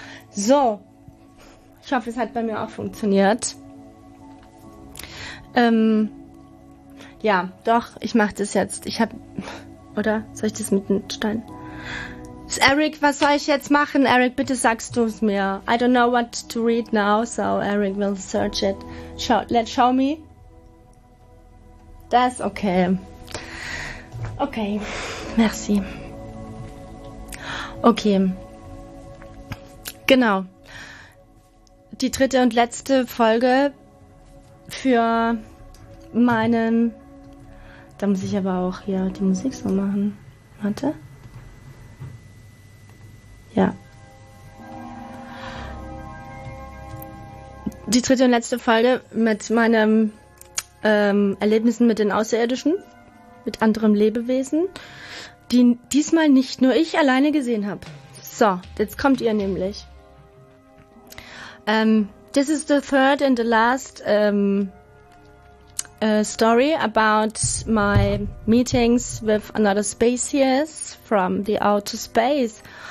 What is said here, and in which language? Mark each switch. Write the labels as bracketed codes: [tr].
[de] So, ich hoffe, es hat bei mir auch funktioniert. Ja, doch, ich mache das jetzt. Ich habe, oder? Soll ich das mit dem Stein... Eric, was soll ich jetzt machen? Eric, bitte sagst du es mir. [en] I don't know what to read now, so Eric will search it. Show me. That's okay. [de] Okay, merci. Okay. Genau. Die dritte und letzte Folge für meinen... Da muss ich aber auch hier die Musik so machen. Warte. Ja. Die dritte und letzte Folge mit meinen Erlebnissen mit den Außerirdischen, mit anderen Lebewesen, die diesmal nicht nur ich alleine gesehen habe. So, jetzt kommt ihr nämlich. [en] This is the third and the last story about my meetings with another species from the outer space.